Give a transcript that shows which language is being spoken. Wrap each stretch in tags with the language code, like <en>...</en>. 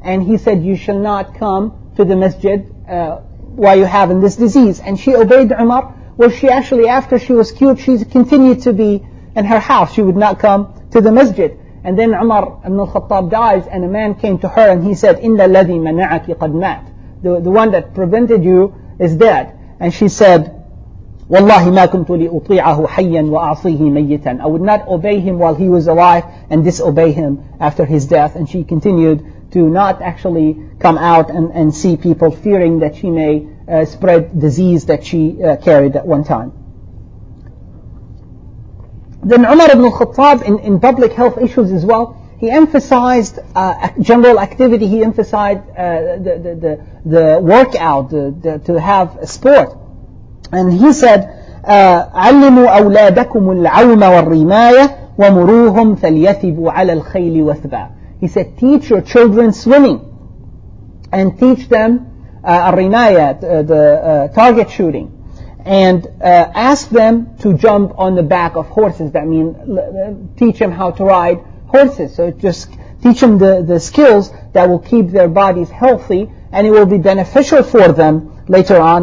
<en>And he said, you shall not come to the masjid while you have this disease. And she obeyed Umar. Well, she actually, after she was cured, she continued to be in her house. She would not come to the masjid. And then Umar ibn al-Khattab dies, and a man came to her, and he said,</en> <ar>إِنَّ الَّذِي مَنَعَكِ قَدْ مَاتِ.</ar> <en>The one that prevented you is dead. And she said,</en> <ar>وَاللَّهِ مَا كُنْتُ لِأُطِيعَهُ حَيًّا وَأَعْصِيهِ مَيِّتًا.</ar> <en>I would not obey him while he was alive and disobey him after his death. And she continued to not actually come out and see people, fearing that she may spread disease that she carried at one time. Then Umar ibn al-Khattab, in public health issues as well, he emphasized general activity. He emphasized the workout, to have a sport. And he said,</en> <ar>عَلِّمُوا أَوْلَادَكُمُ الْعَوْمَ وَالرِّمَايَةِ وَمُرُوهُمْ فَلْيَثِبُوا عَلَى الْخَيْلِ وَثْبَى.</ar> <en>He said, teach your children swimming and teach them الرِّمَايَة, target shooting. And ask them to jump on the back of horses. That means teach them how to ride horses. So just teach them the skills that will keep their bodies healthy, and it will be beneficial for them later on.</en>